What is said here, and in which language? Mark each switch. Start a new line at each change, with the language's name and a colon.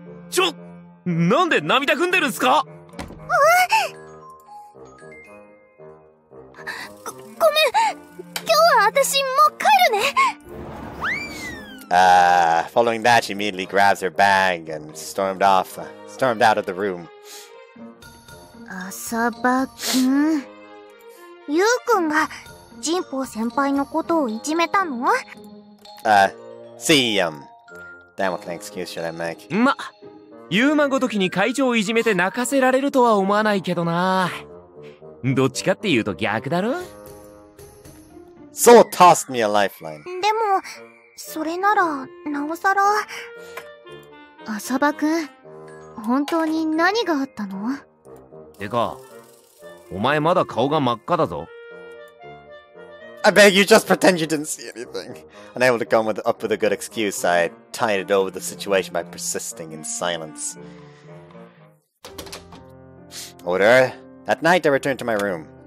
Japanese: ちょ、なんで涙ぐんでるんすか? ごめん、今日は私もう帰るね。
English: Following that, she immediately grabs her bag and stormed out of the room.
Japanese: 浅場くん、ユウくんが神保先輩のことをいじめたの?
English: Then what kind of excuse should I make?
Japanese: ま、ユーマごときに会長をいじめて泣かせられるとは思わないけどな。どっちかっていうと逆だろ?
English: So tossed me a lifeline.
Japanese: でも、それなら、なおさら。浅場くん、本当に何があったの? てか、お前まだ顔が真っ赤だぞ。
English: I beg you, just pretend you didn't see anything. Unable to come up with a good excuse, I tided over the situation by persisting in silence. Order. At night, I returned to my room.